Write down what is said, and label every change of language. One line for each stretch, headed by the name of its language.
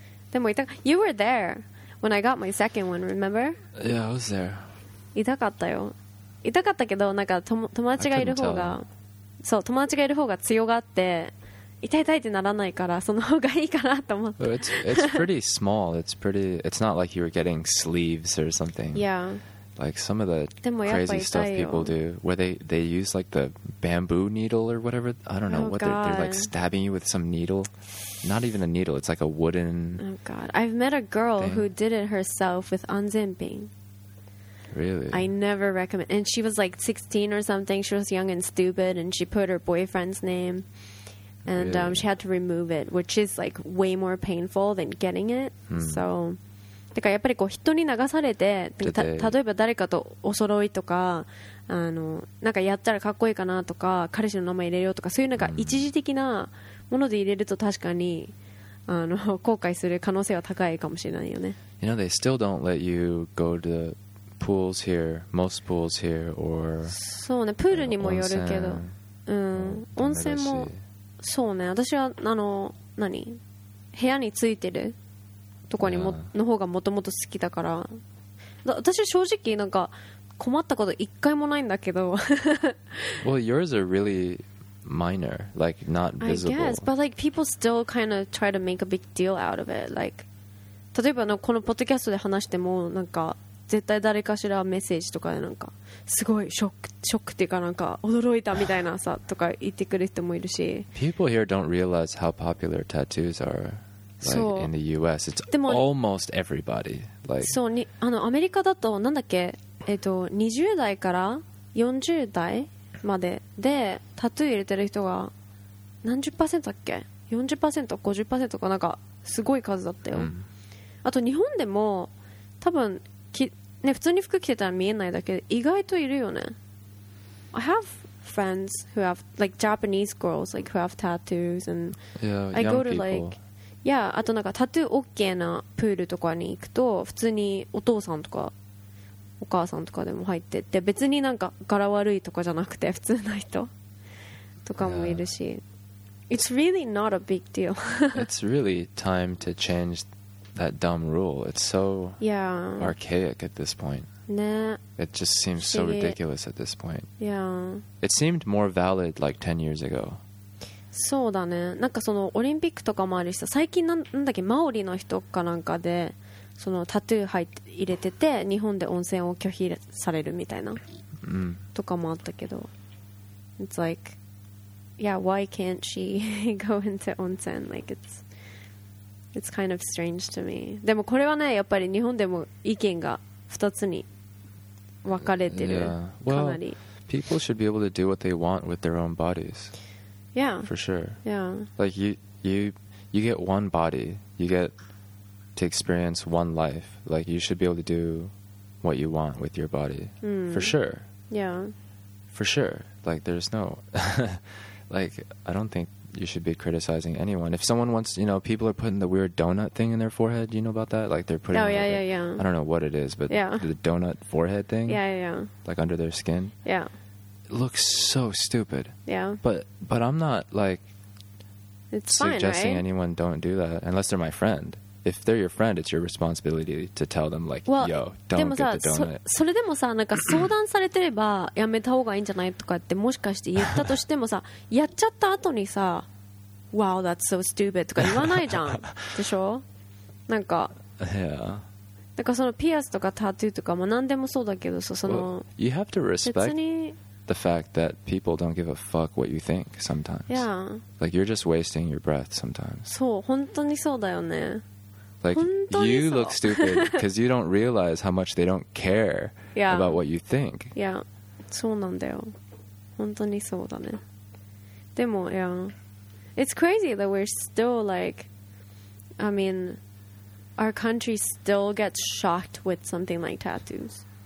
English: でも You were thereWhen I got my second one, remember? Yeah, I was there.
Japanese: 痛かったよ。痛かったけど、なんか友達がいる方が、そう、友達がいる方が強がって、痛い痛いってならないから、その方がいいかなと思って。
English: It's pretty small. It's not like you were getting sleeves or something. Yeah. Like some of the crazy stuff people do, where they use like the bamboo needle or whatever. I don't know. Oh, what they're like stabbing you with some needle. Not even a needle, it's like a wooden... Oh god, I've met a girl thing. Who did it herself with anzenping. Really? I never recommend... And she was like 16 or something, she was young and stupid, and she put her boyfriend's name, and really? She had to remove it, which is like way more painful than getting it.
Japanese: So, だからやっぱりこう人に流されて、例えば誰かとお揃いとか、あのなんかやったらかっこいいかなとか、彼氏の名前入れようとか、そういうなんか一時的な、物で入れると確かにあの後悔する可能性は高いかもしれないよね。
English: You know, they still don't let you go to pools here, most pools here, or...
Japanese: そうね、プールにもよるけど。温泉も、そうね、私は、あの、何? 部屋についてるとこにも、の方がもともと好きだから。私正直、なんか困ったこと一回もないんだけど。
English: Well, yours are really... minor, like not visible. I guess, but like people still kind of try to make a big deal out of it.
Japanese: Like, 例えばのこのポッドキャストで話してもなんか絶対誰かしらメッセージとかでなんかすごいショックっていうかなんか驚いたみたいなさとか言ってくる人もいるし。
English: People here don't realize how popular tattoos are, like in the U.S. It's almost everybody. Like,
Japanese: そうにあのアメリカだとなんだっけ20代から40代。ま、でタトゥー入れてる人が何十パーセントだっけ 40%、50% かなんかすごい数だったよ。あと日本でも多分ね、普通に服着てたら見えないだけで意外といるよね。
English: I have friends who have like Japanese girls like who have tattoos and yeah, I go to people.
Japanese: Like yeah, あとなんかタトゥー OK なプールとかに行くと普通にお父さんとかお母さんとかでも入ってって別になんか柄悪いとかじゃなくて普通の人とかもいるし、yeah.
English: It's really not a big deal. It's really time to change that dumb rule. It's so yeah. archaic at this point. Nah. It just seems so ridiculous at this point. Yeah. It seemed more valid like 10 years ago.
Japanese: そうだね。なんかそのオリンピックとかもあるしさ、最近なんだっけ、マオリの人かなんかでそのタトゥー入って入れてて日本で温泉を拒否されるみたいな、うん、とかもあったけど、
English: It's like yeah, why can't she go into 温泉、 like it's kind of strange to me。
Japanese: でもこれはね、やっぱり日本でも意見が二つに分かれてる、
English: yeah. well,
Japanese: かなり。
English: People should be able to do what they want with their own bodies。 Yeah. For sure. Yeah. Like you get one body. You get to experience one life. Like you should be able to do what you want with your body. Mm. For sure. Yeah. For sure. Like there's no like I don't think you should be criticizing anyone. If someone wants, you know, people are putting the weird donut thing in their forehead, you know about that? Like they're putting Yeah. I don't know what it is, but yeah. the donut forehead thing. Yeah. Like under their skin. Yeah. Looks so stupid. Yeah. But I'm not like it's suggesting fine, right? anyone don't do that unless they're my friend. If they're your friend, it's your responsibility to tell them like, well, yo, don't get the donut.
Japanese: それでもさ、なんか相談されてればやめた方がいいんじゃないとかってもしかして言ったとしてもさ、やっちゃった後にさ、
English: wow, that's so stupid
Japanese: とか言わないじゃん。でしょ？なんか。
English: Yeah.
Japanese: なんかそのピアスとかタトゥーとかも何でもそうだけどさ、その。
English: Well, you have to respect.
Japanese: 別に。
English: The fact that people don't give a fuck what you think sometimes. Yeah. Like you're just wasting your breath sometimes.
Japanese: そう、本当にそうだよね。
English: Like you look stupid because you don't realize how much they don't care yeah. about what you think.
Japanese: Yeah. そうなんだよ。本当にそうだね。でも、yeah.
English: It's crazy that we're still like, I mean, our country still gets shocked with something like tattoos.